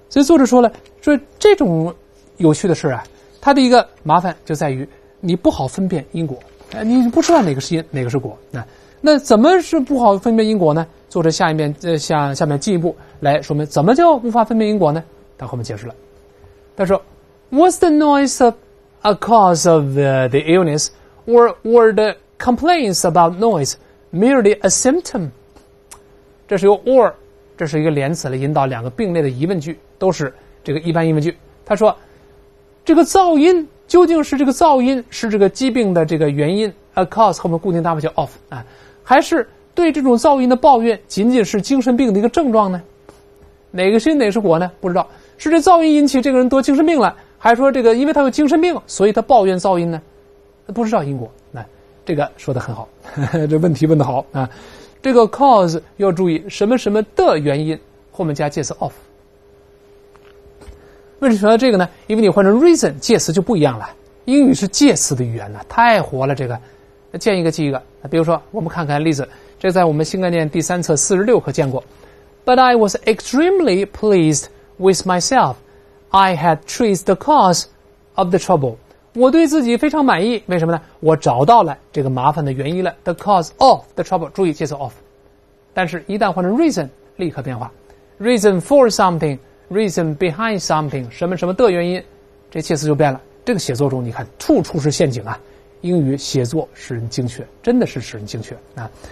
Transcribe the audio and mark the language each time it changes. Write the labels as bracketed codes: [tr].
[zh] 所以作者说了，说这种有趣的事啊，它的一个麻烦就在于你不好分辨因果，你不知道哪个是因哪个是果。那怎么是不好分辨因果呢？作者下面进一步来说明怎么叫无法分辨因果呢，他后面解释了。他说 [en] Was the noise of a cause of the illness or were the complaints about noise merely a symptom？ [zh] 这是由 or， 这是一个连词来引导两个并列的疑问句，都是这个一般疑问句。他说，这个噪音究竟是这个噪音是这个疾病的这个原因 ， [en] a cause [zh] 后面固定搭配叫 of 啊，还是对这种噪音的抱怨仅仅是精神病的一个症状呢？哪个是因哪个是果呢？不知道，是这噪音引起这个人得精神病了，还是说这个因为他有精神病，所以他抱怨噪音呢？不知道因果。那、啊、这个说得很好，呵呵，这问题问得好啊。这个 cause 要注意什么什么的原因，后面加介词 of。为什么选择这个呢？因为你换成 reason 介词就不一样了，英语是介词的语言了，太活了。这个见一个记一个，比如说我们看看例子，这在我们新概念第三册46课见过。 [en] But I was extremely pleased with myself. I had traced the cause of the trouble. [zh] 我对自己非常满意，为什么呢？我找到了这个麻烦的原因了， [en] the cause of the trouble， [zh] 注意介词 of。但是一旦换成 reason 立刻变化， [en] reason for something， reason behind something， [zh] 什么什么的原因，这介词就变了。这个写作中你看处处是陷阱啊，英语写作使人精确，真的是使人精确啊。